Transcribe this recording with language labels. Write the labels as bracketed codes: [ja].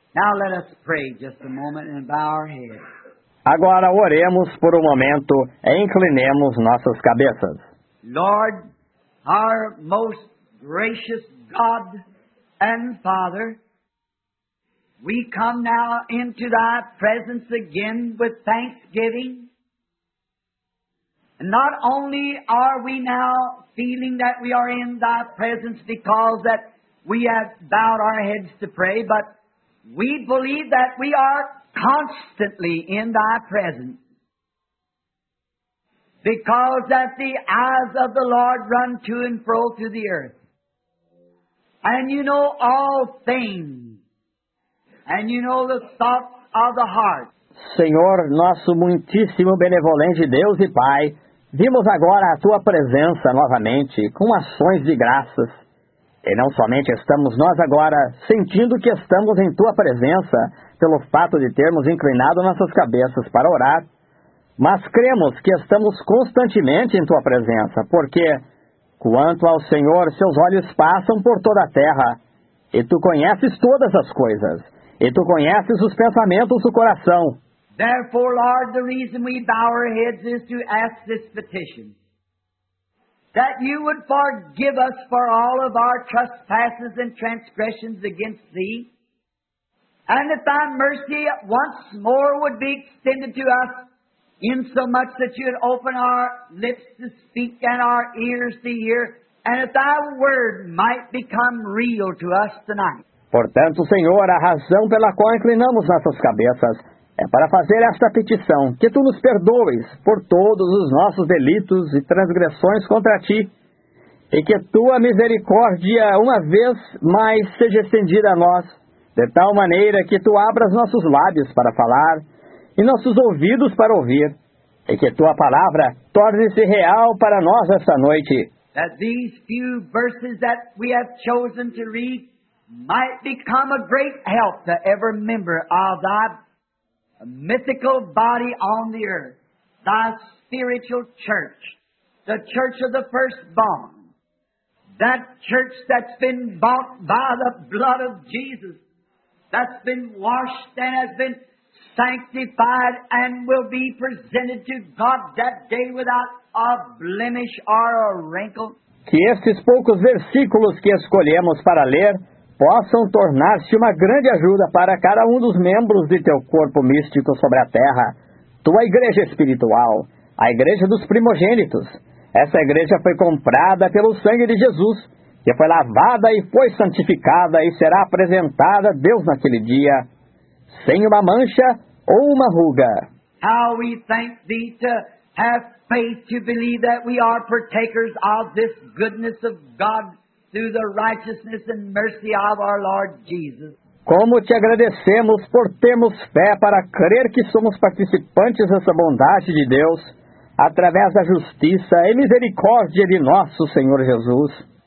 [en] Now let us pray just a moment and bow our head. [pt] Agora oremos por um momento e inclinemos nossas cabeças. [en] Lord, our most gracious God and Father, we come now into thy presence again with thanksgiving. Not only are we now feeling that we are in thy presence because that we have bowed our heads to pray, but we believe that we are constantly in thy presence, because that the eyes of the Lord run to and fro through the earth. And you know all things, and you know the thoughts of the heart. [pt] Senhor, nosso muitíssimo benevolente Deus e Pai, vimos agora a Tua presença novamente com ações de graças. E não somente estamos nós agora sentindo que estamos em Tua presença pelo fato de termos inclinado nossas cabeças para orar, mas cremos que estamos constantemente em Tua presença, porque, quanto ao Senhor, Seus olhos passam por toda a terra, e Tu conheces todas as coisas, e Tu conheces os pensamentos do coração. [en] Therefore, Lord, the reason we bow our heads is to ask this petition, that you would forgive us for all of our trespasses and transgressions against thee, and that thy mercy once more would be extended to us, insomuch that you would open our lips to speak and our ears to hear, and that thy word might become real to us tonight. [pt] Portanto, Senhor, a razão pela qual inclinamos nossas cabeças é para fazer esta petição, que Tu nos perdoes por todos os nossos delitos e transgressões contra Ti, e que Tua misericórdia, uma vez mais, seja estendida a nós, de tal maneira que Tu abras nossos lábios para falar e nossos ouvidos para ouvir, e que Tua palavra torne-se real para nós esta noite. [en] That these few verses that we have chosen to read might become a great help to every member of thy a mythical body on the earth, thy spiritual church, the church of the firstborn, that church that's been bought by the blood of Jesus, that's been washed and has been sanctified and will be presented to God that day without a blemish or a wrinkle. [pt] Que estes poucos versículos que escolhemos para ler possam tornar-se uma grande ajuda para cada um dos membros de Teu corpo místico sobre a terra, Tua igreja espiritual, a igreja dos primogênitos. Essa igreja foi comprada pelo sangue de Jesus, que foi lavada e foi santificada e será apresentada a Deus naquele dia, sem uma mancha ou uma ruga. [en] How we thank Thee to have faith to believe that we are partakers of this goodness of God through the righteousness and mercy of our Lord Jesus. [pt] Como te agradecemos por termos fé para crer que somos participantes dessa bondade de Deus através da justiça e misericórdia de nosso Senhor Jesus.